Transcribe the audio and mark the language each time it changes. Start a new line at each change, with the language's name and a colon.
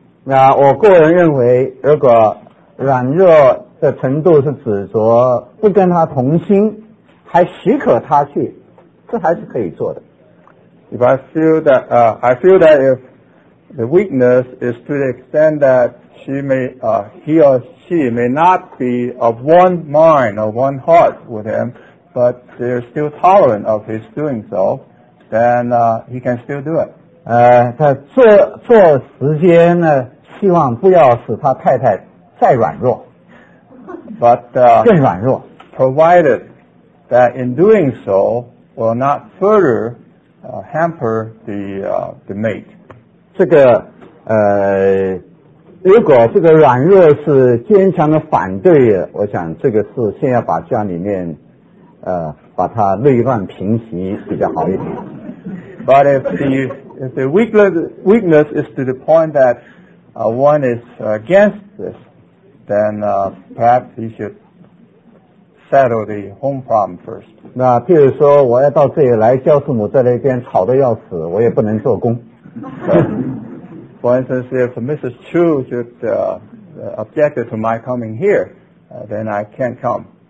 Chinese: 那我个人认为，如果软弱的程度是指着不跟他同心，还许可他去，这还是可以做的。
English: If the weakness is to the extent that he or she may not be of one mind or one heart with him, but they're still tolerant of his doing so, then he can still do it.
Chinese: 他做时间呢，希望不要使他太太再软弱。更软弱。
English: Provided that in doing so will not further hamper the mate.
Chinese: 这个如果这个软弱是坚强的反对，我想这个是先要把家里面把它内乱平息比较好一点。
English: But if the weakness is to the point that one is against this, then perhaps he should settle the home problem first.
Chinese: 那譬如说我要到这里来，教父母在那边吵得要死，我也不能做工。
English: For instance, if Mrs. Chu should object to my coming here, then I can't come.